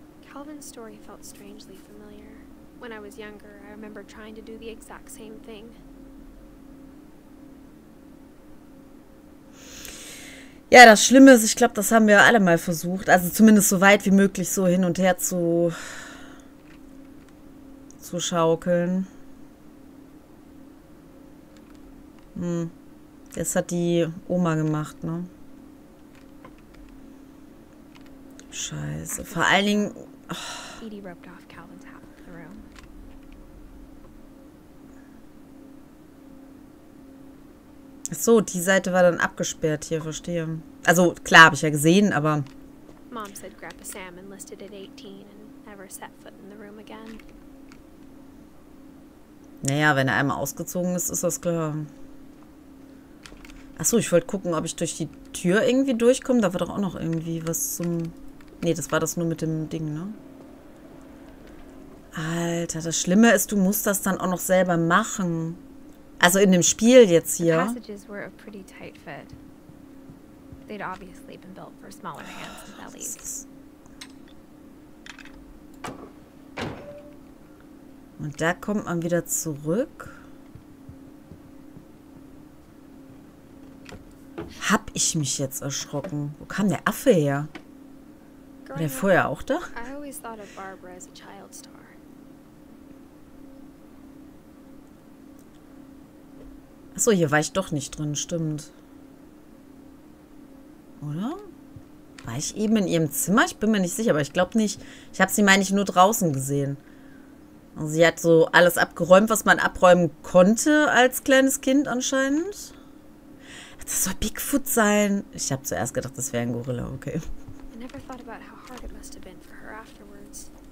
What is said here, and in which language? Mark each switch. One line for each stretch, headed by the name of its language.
English: Calvin's story felt strangely familiar. When I was younger, I remember trying to do the exact same thing.
German: Ja, das Schlimme ist, ich glaube, das haben wir alle mal versucht. Also zumindest so weit wie möglich so hin und her zu schaukeln. Das hat die Oma gemacht, ne? Scheiße. Vor allen Dingen...
English: Edie roped off Calvin's half of the room.
German: So, die Seite war dann abgesperrt hier, verstehe. Also, klar, habe ich ja gesehen, aber...
English: Mom said Grandpa Sam enlisted at 18 and never set foot in the room again.
German: Naja, wenn er einmal ausgezogen ist, ist das klar. Achso, ich wollte gucken, ob ich durch die Tür irgendwie durchkomme. Da war doch auch noch irgendwie was zum... Nee, das war das nur mit dem Ding, ne? Alter, das Schlimme ist, du musst das dann auch noch selber machen. Also in dem Spiel jetzt hier.
English: The passages were a pretty tight fit. They'd obviously been built for smaller hands and bellies.
German: Und da kommt man wieder zurück. Hab ich mich jetzt erschrocken? Wo kam der Affe her? War der vorher auch da?
English: I always thought of Barbara as a child star.
German: Achso, hier war ich doch nicht drin, stimmt. Oder? War ich eben in ihrem Zimmer? Ich bin mir nicht sicher, aber ich glaube nicht. Ich habe sie, meine ich, nur draußen gesehen. Also sie hat so alles abgeräumt, was man abräumen konnte als kleines Kind anscheinend. Das soll Bigfoot sein. Ich habe zuerst gedacht, das wäre ein Gorilla, okay.
English: I never thought about how hard it must have been for her afterwards.